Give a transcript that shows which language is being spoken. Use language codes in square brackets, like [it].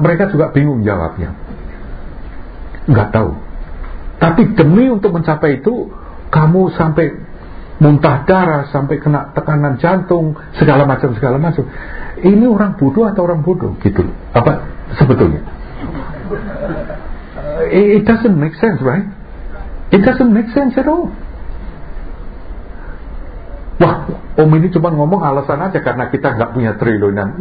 [id] Mereka juga bingung jawabnya. Enggak tahu. Tapi demi untuk mencapai itu, kamu sampai muntah darah, sampai kena tekanan jantung, segala macam segala macam. Ini orang bodoh atau orang bodoh gitu. Apa sebetulnya? [en] It doesn't make sense, right? It doesn't make sense at all. [id] Om ini cuma ngomong alasan aja karena kita gak punya triliunan.